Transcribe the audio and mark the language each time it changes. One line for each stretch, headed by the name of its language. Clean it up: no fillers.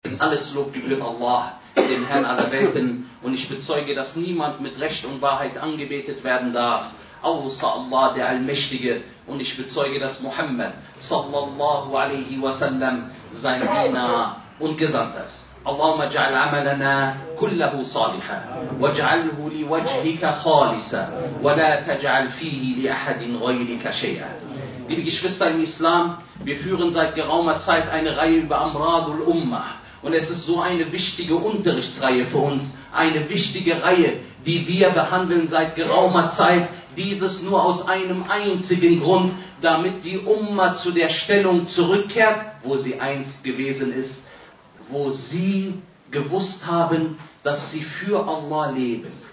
German: Alles lobt die Glück Allah, den Herrn aller Welten, und ich bezeuge, dass niemand mit Recht und Wahrheit angebetet werden darf, außer Allah, der Allmächtige. Und ich bezeuge, dass Muhammad, sallallahu alaihi wasallam, sein Diener und Gesandter ist.
Arabic: اللهم اجعل عملنا كله صالحا واجعله لوجهك خالصا ولا تجعل فيه لأحد غيرك شيئا.
German: Liebe Geschwister im Islam, wir führen seit geraumer Zeit eine Reihe über Amrad al-Ummah, und es ist so eine wichtige Unterrichtsreihe für uns, eine wichtige Reihe, die wir behandeln seit geraumer Zeit, dieses nur aus einem einzigen Grund, damit die Ummah zu der Stellung zurückkehrt, wo sie einst gewesen ist, wo sie gewusst haben, dass sie für Allah leben.